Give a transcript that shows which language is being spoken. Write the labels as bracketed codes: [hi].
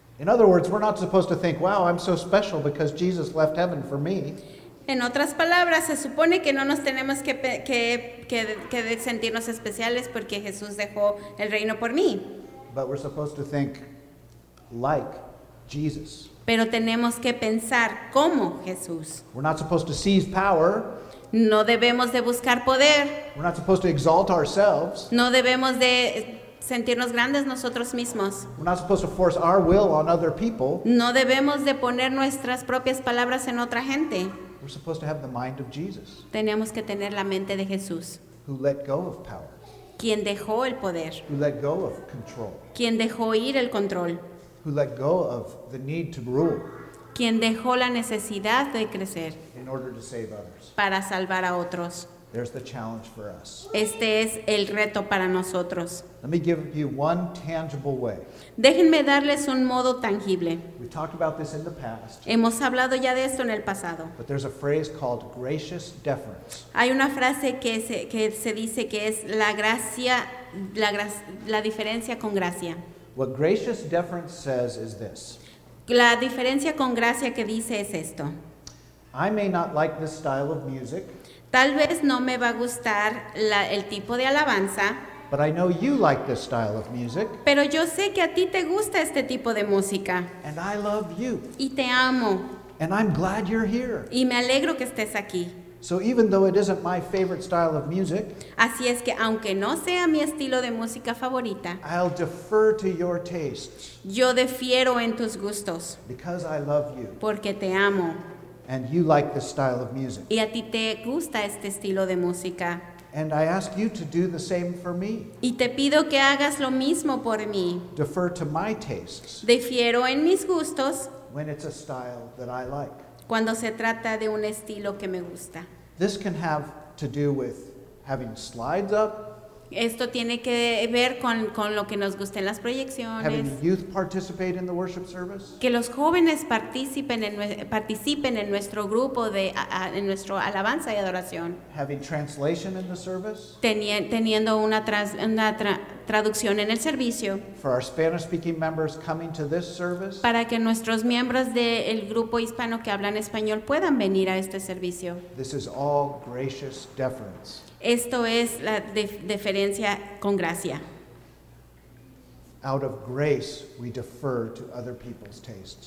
[en] In other words, we're not supposed to think, wow, I'm so special because Jesus left heaven for me. [es] En otras palabras, se supone que no nos tenemos que sentirnos especiales porque Jesús dejó el reino por mí. [en] But we're supposed to think like Jesus. [es] Pero tenemos que pensar como Jesús. [en] We're not supposed to seize power. [es] No debemos de buscar poder. [en] We're not supposed to exalt ourselves. [es] No debemos de sentirnos grandes nosotros mismos. [en] We're not supposed to force our will on other people. [es] No debemos de poner nuestras propias palabras en otra gente. [en] We're supposed to have the mind of Jesus. [es] Tenemos que tener la mente de Jesús. [en] Who let go of power. [es] Quien dejó el poder. [en] Who let go of control. [es] Quien dejó ir el control. [en] Who let go of the need to rule. [es] Quien dejó la necesidad de crecer. [en] In order to save others. [es] Para salvar a otros. [en] There's the challenge for us. [es] Este es el reto para nosotros. [en] Let me give you one tangible way. [es] Déjenme darles un modo tangible. [en] We talked about this in the past. [es] Hemos hablado ya de esto en el pasado. [en] But there's a phrase called gracious deference. [es] Hay una frase que se dice que es la gracia, la diferencia con gracia. [en] What gracious deference says is this. [es] La diferencia con gracia que dice es esto. [en] I may not like this style of music. [es] Tal vez no me va a gustar el tipo de alabanza. [en] But I know you like this style of music. [es] Pero yo sé que a ti te gusta este tipo de música. [en] And I love you. [es] Y te amo. [en] And I'm glad you're here. [es] Y me alegro que estés aquí. [en] So even though it isn't my favorite style of music, [es] así es que aunque no sea mi estilo de música favorita, [en] I'll defer to your tastes. [es] Yo defiero en tus gustos. [en] Because I love you. [es] Porque te amo. [en] And you like this style of music. [es] Y a ti te gusta este estilo de música. [en] And I ask you to do the same for me. [es] Y te pido que hagas lo mismo por mí. [en] Defer to my tastes. [es] Defiero en mis gustos. [en] When it's a style that I like. [es] Cuando se trata de un estilo que me gusta. [en] This can have to do with having slides up. [es] Esto tiene que ver con lo que nos gusta en las proyecciones. [en] Having youth participate in the worship service. [es] Que los jóvenes participen en nuestro grupo en nuestro alabanza y adoración. [en] Having translation in the service. [es] Teniendo una traducción en el servicio. [en] For our Spanish-speaking members coming to this service. [es] Para que nuestros miembros del grupo hispano que hablan español puedan venir a este servicio. [en] This is all gracious deference. [es] Esto es la deferencia con gracia. [en] Out of grace, we defer to other people's tastes.